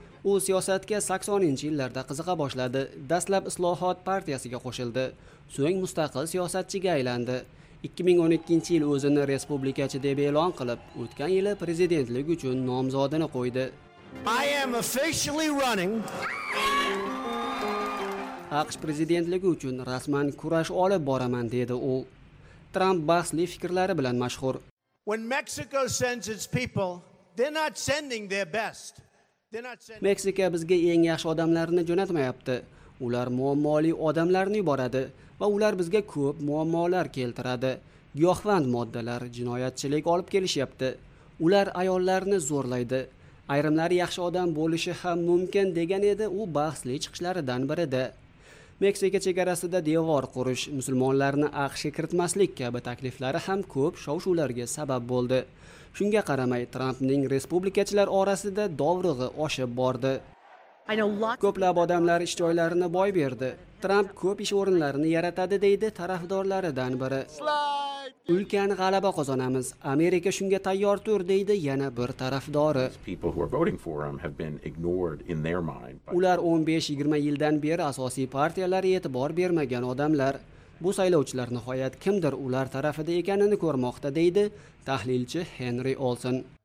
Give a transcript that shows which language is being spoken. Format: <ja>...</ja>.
<uz>U siyosatga 80-yillarda qiziqa boshladi. Dastlab Islohot partiyasiga qo'shildi, so'ng mustaqil siyosatchiga aylandi. 2012-yil o'zini respublikachi deb e'lon qilib, o'tgan yili prezidentlik uchun nomzodini qo'ydi.</uz> <en>I am officially running.</en> <uz>AQSh prezidentligi uchun rasman kurash olib boraman dedi u. Trump bahsli fikrlari bilan mashhur.</uz> <en>When Mexico sends its people, they're not sending their best.</en> <uz>Meksika bizga eng yaxshi odamlarini jo'natmayapti. Ular muammoli odamlarni yuboradi va ular bizga ko'p muammolar keltiradi. Giyohvand moddalar, jinoyatchilik olib kelishyapti. Ular ayollarni zo'rlaydi. Ayrimlari yaxshi odam bo'lishi ham mumkin degan edi u bahsli chiqishlaridan birida. Meksika chegarasida devor qurish, musulmonlarni AQShga kiritmaslik kabi takliflari ham ko'p shov-shuvlarga sabab bo'ldi. Shunga qaramay, Trampning respublikachilar orasida dovrug'i oshib bordi. Ko'plab odamlar ish joylarini boy berdi. Tramp ko'p ish o'rinlarini yaratadi deydi tarafdorlaridan biri.</uz> <en>Slay!</en> <uz>Ulkan g'alaba qozonamiz. Amerika shunga tayyor tur, deydi yana bir tarafdori.</uz> <en>People who are voting for him have been ignored in their mind.</en> <uz>Ular 15-20 yildan beri asosiy partiyalar e'tibor bermagan odamlar. Bu saylovchilar nihoyat kimdir ular tarafida ekanini ko'rmoqda, deydi tahlilchi Henry Olson.</uz>